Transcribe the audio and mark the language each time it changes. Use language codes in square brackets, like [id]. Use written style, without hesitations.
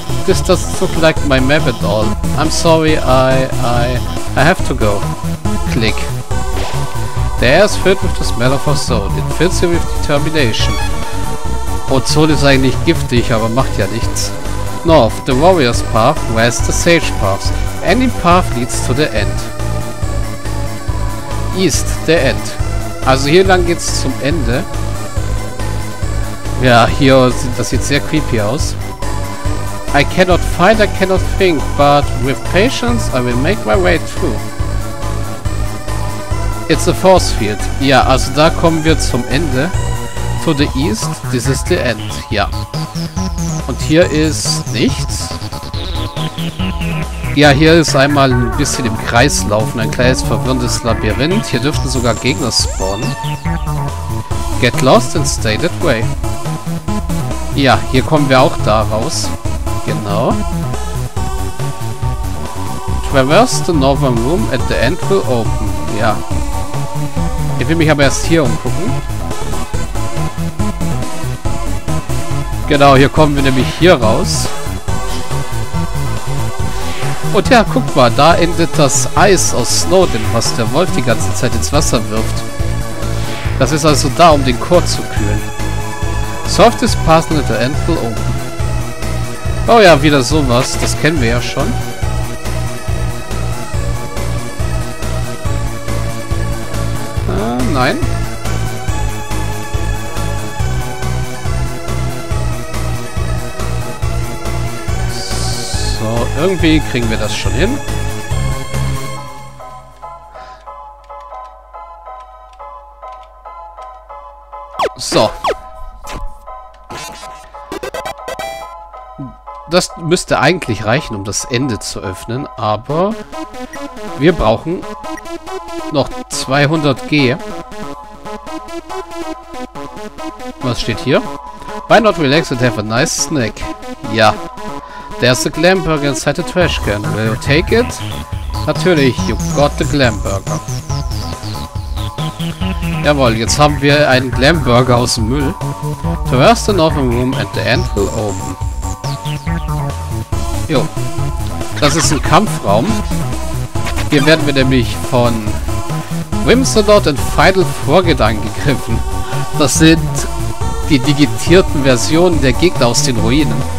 [en] This doesn't look like my map at all. I'm sorry, I have to go. Click. The air is filled with the smell of ozone. It fills you with determination. [de] Ozone ist eigentlich giftig, aber macht ja nichts. [en] North, the warrior's path, west, the sage paths. Any path leads to the end. East, the end. [de] Also hier lang geht's zum Ende. Ja, hier sieht das jetzt sehr creepy aus. [en] I cannot fight, I cannot think, but with patience I will make my way through. It's a force field. [de] Ja, also da kommen wir zum Ende. [en] To the east, this is the end. [de] Ja. Und hier ist nichts. Ja, hier ist einmal ein bisschen im Kreis laufen. Ein kleines verwirrendes Labyrinth. Hier dürften sogar Gegner spawnen. [en] Get lost and stay that way. [de] Ja, hier kommen wir auch da raus. Genau. [en] Traverse the northern room at the end will open. [de] Ja. Ich will mich aber erst hier umgucken. Genau, hier kommen wir nämlich hier raus. Und ja, guck mal, da endet das Eis aus Snowdin, was der Wolf die ganze Zeit ins Wasser wirft. Das ist also da, um den Chor zu kühlen. [en] Soft is passing at the end will open. [de] Oh ja, wieder sowas, das kennen wir ja schon. Nein. So, irgendwie kriegen wir das schon hin. So. Das müsste eigentlich reichen, um das Ende zu öffnen, aber wir brauchen noch 200 G. Was steht hier? [en] Why not relax and have a nice snack? Ja. There's a Glam Burger inside the trash can. Will you take it? Natürlich, you got the Glam Burger. [de] Jawohl, jetzt haben wir einen Glam Burger aus dem Müll. [en] Traverse the northern room and the end will open. [de] Jo. Das ist ein Kampfraum. Hier werden wir nämlich von Whimsalot und Final Forget angegriffen. Das sind die digitierten Versionen der Gegner aus den Ruinen.